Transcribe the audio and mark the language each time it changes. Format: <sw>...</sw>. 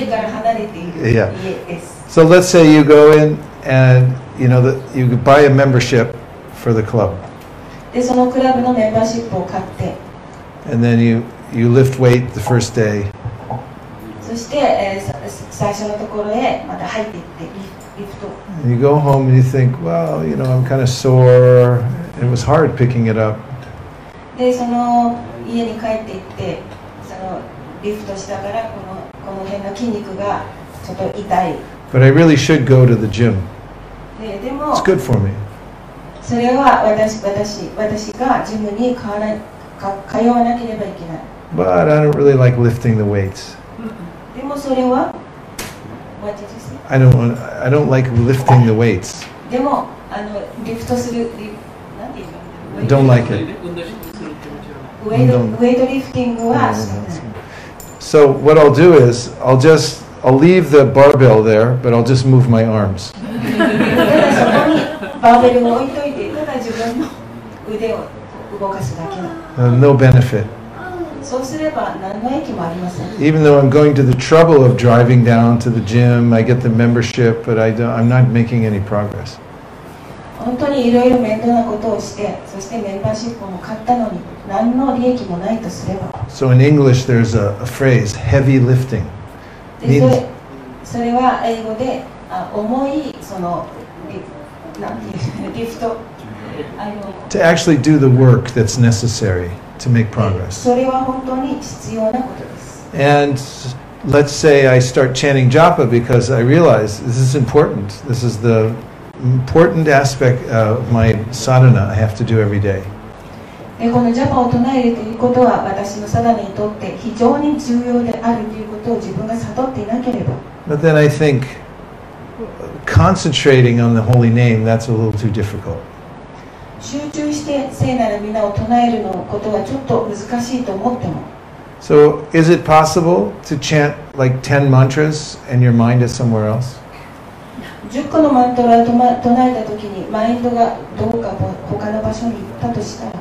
<ja>家から離れている家です。</ja> <en>So let's say you go in and you know that you buy a membership for the club.</en> <ja>で、そのクラブのメンバーシップを買って</ja> <en>And then you lift weight the first day.</en> <ja>そして、最初のところへまた入っていって、行くと。</ja> <en>You go home and you think, well, you know, I'm kind of sore. It was hard picking it up.</en> <ja>で、その家に帰っていって、そのリフトしたからこの辺の筋肉がちょっと痛い。</ja> <en>But I really should go to the gym.</en> <ja>でも、</ja> <en>It's good for me.</en> <ja>それは私がジムに通わなければいけない。</ja> <en>But I don't really like lifting the weights.</en> <ja>でもそれは</ja> <en>What did you say? I don't like lifting the weights.</en> <ja>でもリフトする何？</ja> <en>Don't like it.</en> <ja>ウェイトリフティングは</ja> <en>So what I'll do is I'll leave the barbell there, but I'll just move my arms.</en> <ja>ただそこにバーベルを置いといて、ただ自分の腕を動かすだけの。</ja> <en>No benefit.</en> <ja>そうすれば何の影響もありません。</ja> <en>Even though I'm going to the trouble of driving down to the gym, I get the membership, but I'm not making any progress.</en> <ja>本当にいろいろ面倒なことをして、そしてメンバーシップも買ったのに、何の利益もないとすれば。</ja> <en>So in English, there's a phrase, heavy lifting.</en> <ja>それは英語で、重いその、リフト。</ja> <en>To actually do the work that's necessary. To make progress.</en> <ja>それは本当に必要なことです。</ja> <en>And let's say I start chanting japa because I realize this is important. This is the important aspect of my sadhana I have to do every day.</en> <ja>で、このジャパを唱えるということは私のサダナにとって非常に重要であるということを自分が悟っていなければ。</ja> <en>But then I think concentrating on the holy name, that's a little too difficult.</en> <ja>集中して聖なる皆を唱えるのことはちょっと難しいと思っても。</ja> <en>So, is it possible to chant like 10 mantras and your mind is somewhere else?</en> <ja>10個のマントラを唱えたときにマインドがどこか他の場所に行ったとしたら。</ja>